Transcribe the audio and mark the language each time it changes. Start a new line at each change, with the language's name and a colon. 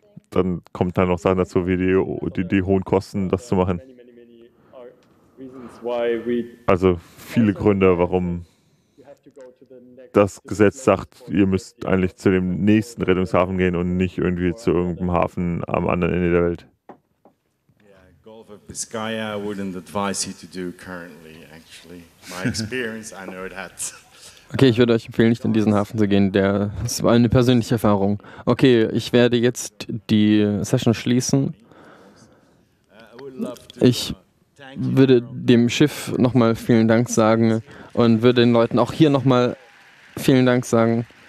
German: dann kommt dann noch Sachen dazu, wie die hohen Kosten, das zu machen. Also viele Gründe, warum das Gesetz sagt, ihr müsst eigentlich zu dem nächsten Rettungshafen gehen und nicht irgendwie zu irgendeinem Hafen am anderen Ende der Welt.
English: Biscaya, I wouldn't advise you to do currently, actually. My experience, I know it has.
German: Okay, ich würde euch empfehlen, nicht in diesen Hafen zu gehen. Das war eine persönliche Erfahrung. Okay, ich werde jetzt die Session schließen. Ich würde dem Schiff nochmal vielen Dank sagen und würde den Leuten auch hier nochmal vielen Dank sagen.